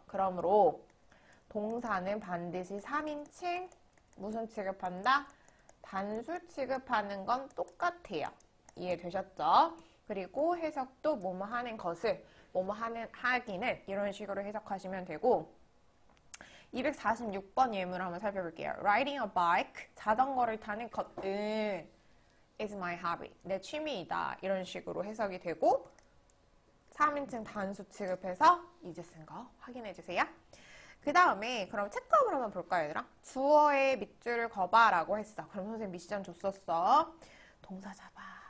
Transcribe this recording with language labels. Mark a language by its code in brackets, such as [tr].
[ko] 그러므로 동사는 반드시 3인칭 무슨 취급한다? 단수 취급하는 건 똑같아요. 이해되셨죠? 그리고 해석도 뭐뭐 하는 것을 뭐뭐 하는 하기는 이런 식으로 해석하시면 되고 246번 예문을 한번 살펴볼게요. [en] Riding a bike, [ko] 자전거를 타는 것은 [en] is my hobby, [ko] 내 취미이다. 이런 식으로 해석이 되고 3인칭 단수 취급해서 이제 쓴거 확인해 주세요. 그 다음에 그럼 체크업을 한번 볼까요, 얘들아? 주어의 밑줄을 거봐라고 했어. 그럼 선생님 미션 줬었어. 동사 잡아.